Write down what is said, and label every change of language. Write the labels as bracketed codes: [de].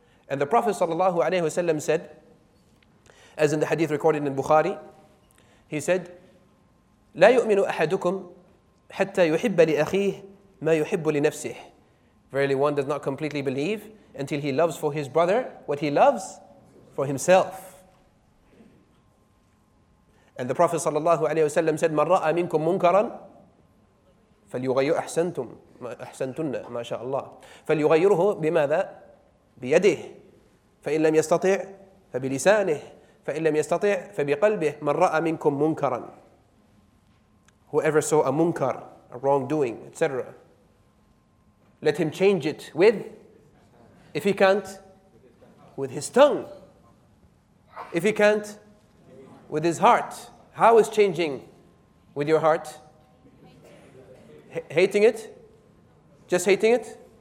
[en] And the Prophet sallallahu alaihi wasallam said, as in the hadith recorded in Bukhari, he said, [ar] لا يؤمن أحدكم حتى يحب لأخيه ما يحب لنفسه. [en] Verily, one does not completely believe until he loves for his brother what he loves for himself. And the Prophet sallallahu alaihi wasallam said, [ar] من رأى منكم منكرا فليغير أحسنتم أحسنتن ما شاء الله فليغيره بماذا بيده فإن لم يستطع فبلسانه فإن لم يستطع فبقلبه من رأى منكم منكرا. [en] Whoever saw a munkar, a wrongdoing, etc., let him change it with, if he can't, with his tongue. If he can't, with his heart. How is changing with your heart? Hating it? Just hating it?